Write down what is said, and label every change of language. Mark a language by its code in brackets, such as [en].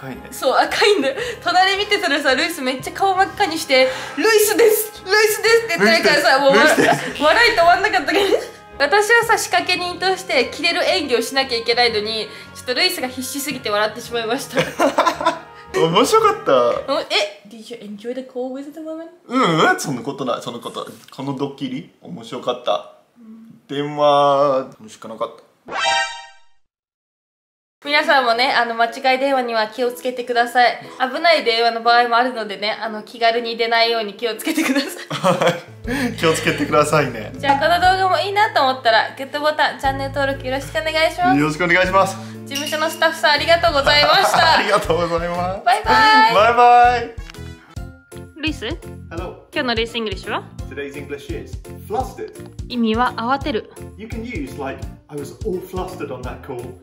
[ja] そう、赤いんだよ。隣見てたらさ、ルイスめっちゃ顔真っ赤にして、ルイスですルイスですって言ってるからさ、もう笑い止まんなかったけど、私はさ、仕掛け人としてキレる演技をしなきゃいけないのに、ちょっとルイスが必死すぎて笑ってしまいました。面白かった。 [en] え、Did you enjoy the call with the woman? [ja] そんなことない、そんなこと。このドッキリ、面白かった。電話、楽しくなかった。皆さんもね、あの間違い電話には気をつけてください。危ない電話の場合もあるのでね、あの気軽に出ないように気をつけてください。気をつけてくださいね。じゃあこの動画もいいなと思ったらグッドボタン、チャンネル登録よろしくお願いします。よろしくお願いします。事務所のスタッフさんありがとうございました。ありがとうございます。バイバイバイバイ。ルイス、 [en] Hello. [ja] 今日のルイスイングリッシュは [en] Today's English is flustered. [ja] 意味は慌てる。 [en] You can use like I was all flustered on that call.